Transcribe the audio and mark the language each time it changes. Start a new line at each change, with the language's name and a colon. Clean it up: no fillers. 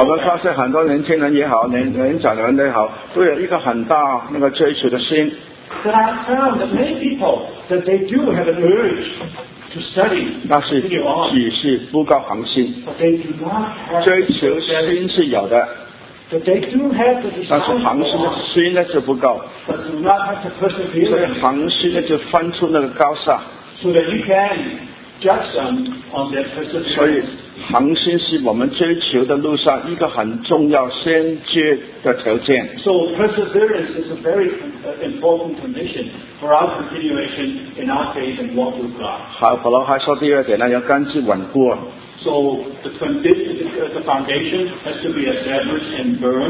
Chinese: 我们发现很多年轻人也好 年长的人也好都有一个很大那个追求的心
English: but I found that many people that they do have an urgeTo study,
Chinese: 那是只是不够恒心追求心是有的但是恒心的心呢就不够所以恒心呢就分出那个高下
English: so that you can judge them on their perseverance.
Chinese: 所以恒心是我们追求的路上一个很重要先决的条件
English: so perseverance is a very important condition for our continuation in our faith and walk with God
Chinese: 好保罗还说第二点呢要根基稳固
English: so the foundation has to be established and firm